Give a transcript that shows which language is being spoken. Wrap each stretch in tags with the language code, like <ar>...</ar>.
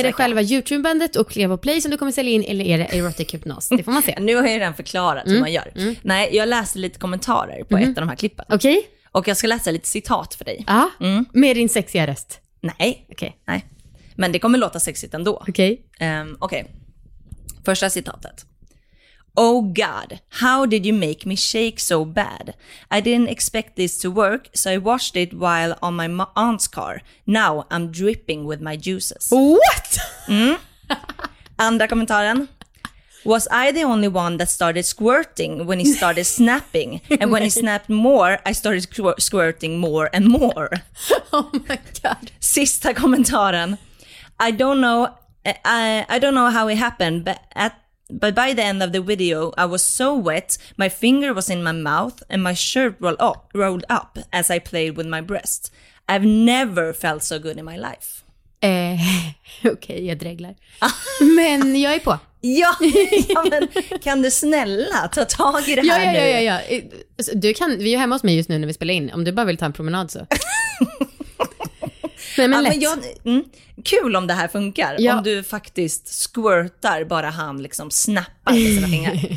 <sv>Är det själva YouTube-bandet och Clevo Play som du kommer sälja in, eller är det erotic hypnos? Det får man se. Nu har jag redan förklarat hur man gör. Nej, jag läste lite kommentarer på ett av de här klippen. Okej. Okay. Och jag ska läsa lite citat för dig. Ja, med din sexiga röst. Nej. Okej. Okay. Nej. Men det kommer låta sexigt ändå. Okej. Okej. Okay. Första citatet.</sv> <en>Oh God, how did you make me shake so bad? I didn't expect this to work, so I washed it while on my aunt's car. Now I'm dripping with my juices. What?</en> <sv>Andra kommentaren.</sv> <en>Was I the only one that started squirting when he started snapping? And when he snapped more, I started squirting more and more. Oh my god.</en> <sv>Sista kommentaren.</sv> <en>I don't know how it happened, but by the end of the video, I was so wet, my finger was in my mouth and my shirt rolled up as I played with my breast. I've never felt so good in my life.</en> <sv>Okej, okay, jag dreglar. Men jag är på. Ja, men kan du snälla ta tag i det här nu? Ja. Du kan, vi är ju hemma hos mig just nu när vi spelar in. Om du bara vill ta en promenad så. Nej, men lätt. Kul om det här funkar. Ja. Om du faktiskt squirtar, bara han liksom snappar med sina fingrar.</sv>